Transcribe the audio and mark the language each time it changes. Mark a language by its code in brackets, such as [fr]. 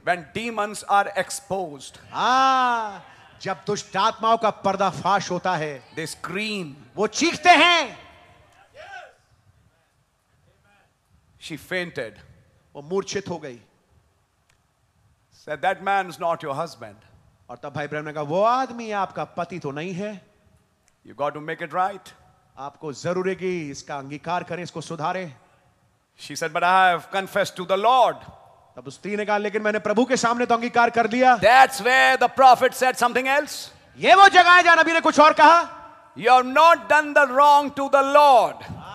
[en] When demons are exposed. [hi] जब दुष्ट आत्माओं का पर्दाफाश होता है. [en] They scream. [hi] वो चीखते हैं. [en] She fainted. [hi] वो मूर्छित हो गई. [en] Said that man is not your husband. [hi] और तब भाई ब्रह्म ने कहा, वो आदमी आपका पति तो नहीं है. [en] You got to make it right. [hi] आपको जरूरी है कि इसका अंगीकार करें, इसको सुधारें. [en] She said, but I have confessed to the Lord. [hi] तब उस स्त्री ने कहा, लेकिन मैंने प्रभु के सामने तो अंगीकार कर लिया. [en] That's where the prophet said something else. [hi] ये वो जगह है जहां नबी ने कुछ और कहा. [en] You have not done the wrong to the Lord.